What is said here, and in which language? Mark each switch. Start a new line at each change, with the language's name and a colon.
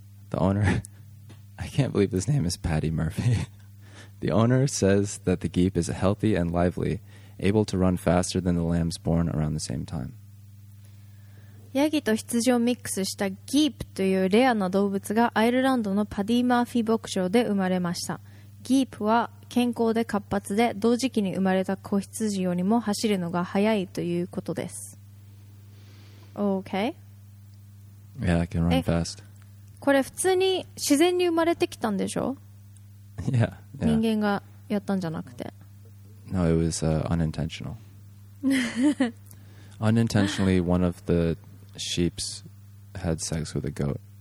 English: The owner, I can't believe his name is Paddy Murphy. The owner says that the geep is healthy and lively, able to run faster than the lambs born around the same time.
Japanese: ヤギと羊をミックスしたギープというレアな動物がアイルランドのパディ・マーフィー牧場で生まれました。ギープは健康で活発で同時期に生まれた子羊よりも走るのが速いということです。
English: Okay. Yeah, I can run fast.
Japanese: これ普通に自然に生まれてきたんでしょ？
English: Yeah, yeah.
Japanese: 人間がやったんじゃなくて。
English: No, it was unintentional. Unintentionally, one of the sheeps had sex with a goat.